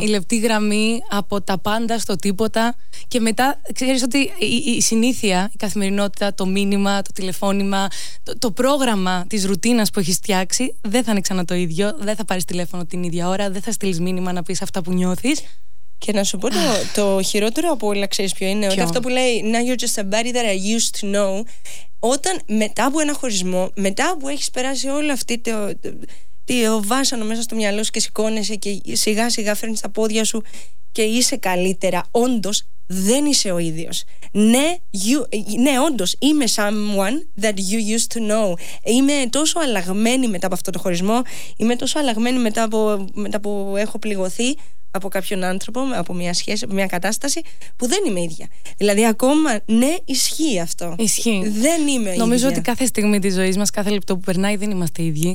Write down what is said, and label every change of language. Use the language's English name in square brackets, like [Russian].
[Greek] Η λεπτή γραμμή από τα πάντα στο τίποτα. Και μετά ξέρεις ότι η συνήθεια, η καθημερινότητα, το μήνυμα, το τηλεφώνημα, το πρόγραμμα της ρουτίνας που έχεις φτιάξει δεν θα είναι ξανά το ίδιο. Δεν θα πάρεις τηλέφωνο την ίδια ώρα. Δεν θα στείλεις μήνυμα να πεις αυτά που νιώθεις. Και να σου πω το χειρότερο από όλα, ξέρεις ποιο είναι. Ότι αυτό που λέει [English] «Now you're just a buddy that I used to know». [Greek] Όταν μετά από ένα χωρισμό, μετά που έχεις περάσει όλο αυτό το βάσανο μέσα στο μυαλό σου και σηκώνεσαι και σιγά σιγά φέρνεις τα πόδια σου και είσαι καλύτερα, όντως δεν είσαι ο ίδιος. Ναι, όντως είμαι [English] someone that you used to know. [Greek] Είμαι τόσο αλλαγμένη μετά από αυτό το χωρισμό, είμαι τόσο αλλαγμένη μετά που έχω πληγωθεί από κάποιον άνθρωπο, από μια σχέση, από μια κατάσταση που δεν είμαι ίδια. Δηλαδή ακόμα ναι, ισχύει αυτό. Ισχύει. Δεν είμαι Νομίζω ίδια. Νομίζω ότι κάθε στιγμή της ζωής μας, κάθε λεπτό που περνάει δεν είμαστε ίδιοι.